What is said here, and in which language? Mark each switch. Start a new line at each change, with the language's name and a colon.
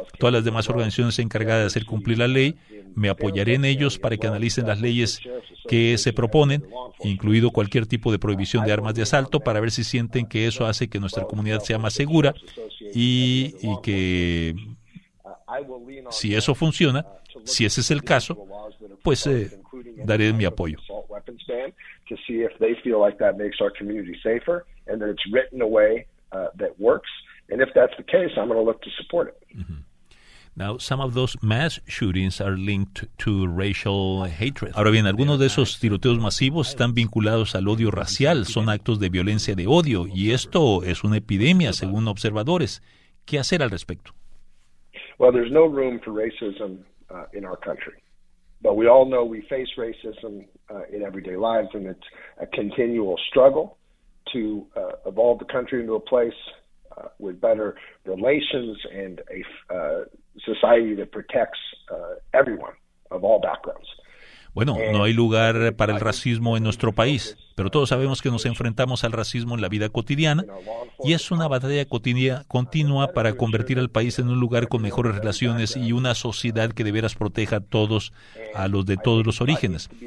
Spanish: Todas las demás organizaciones encargadas de hacer cumplir la ley, me apoyaré en ellos para que analicen las leyes que se proponen, incluido cualquier tipo de prohibición de armas de asalto, para ver si sienten que eso hace que nuestra comunidad sea más segura y que si eso funciona, si ese es el caso, pues daré mi apoyo.
English: To see if they feel like that makes our community safer and that it's written in a way that works. And if that's the case, I'm going to look to support it. Mm-hmm. Now, some of those mass shootings are linked to racial hatred.
Spanish: Ahora bien, algunos de esos tiroteos masivos están vinculados al odio racial, son actos de violencia de odio, y esto es una epidemia, según observadores. ¿Qué hacer al respecto?
English: Well, there's no room for racism in our country. But we all know we face racism in everyday lives, and it's a continual struggle to evolve the country into a place with better relations and a society that protects everyone of all backgrounds.
Spanish: Bueno, no hay lugar para el racismo en nuestro país, pero todos sabemos que nos enfrentamos al racismo en la vida cotidiana y es una batalla continua para convertir al país en un lugar con mejores relaciones y una sociedad que de veras proteja a todos, a los de todos los orígenes.